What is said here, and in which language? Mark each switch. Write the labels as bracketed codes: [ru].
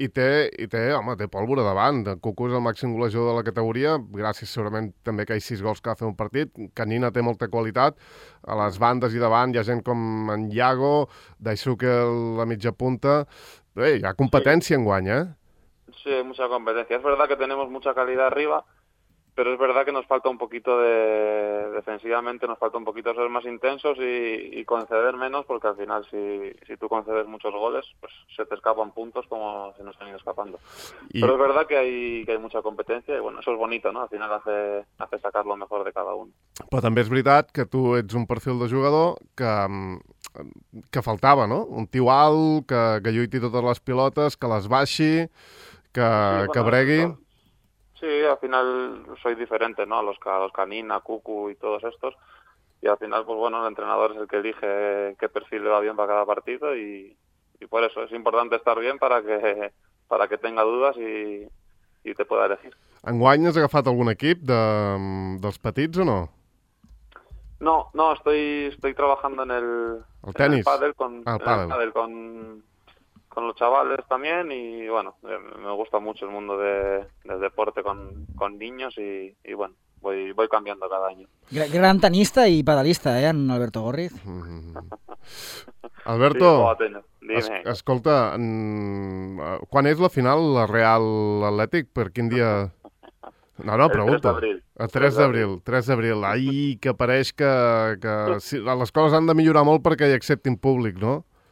[ca] i té pólvora davant. Cucu és el màxim golejador de la categoria, gràcies segurament també que hi ha 6 gols que va fer un partit. Canina té molta qualitat, a les bandes i davant hi ha gent com en Iago, Daisuke la mitja punta, bé, hi ha competència en guany, eh? [es] Sí, mucha competencia. Es verdad que tenemos mucha calidad arriba, pero es verdad que nos falta un poquito de... Defensivamente nos falta un poquito ser más intensos y conceder menos, porque al final si tú concedes muchos goles, pues se te escapan puntos como se nos han ido escapando. Y... Pero es verdad que hay mucha competencia y bueno, eso es bonito, ¿no? Al final hace sacar lo mejor de cada uno. [ca] Però també és veritat que tu ets un perfil de jugador que faltava, ¿no? Un tio alt, que lluiti totes les pilotes, que les baixi, que bregui... [es] Sí, al final soy diferente, ¿no? A los Canina, Cucu y todos estos. Y al final, pues bueno, el entrenador es el que elige qué perfil le va bien para cada partido y por eso es importante estar bien para que tenga dudas y te pueda elegir. [ca] ¿Enguany has agafat algun equip dels petits o no? [es] No, estoy trabajando en el tenis. Con los chavales también y bueno, me gusta mucho el mundo del deporte con niños y bueno, voy cambiando cada año. Gran tenista y pedalista, en Alberto Gorriz. Alberto, sí, [ca] escolta, quan és la final la Real Atlètic? Per quin dia? No, pregunto. El 3 d'abril. 3 d'abril. Ai, que pareix que sí, les coses han de millorar molt perquè hi acceptin públic, no?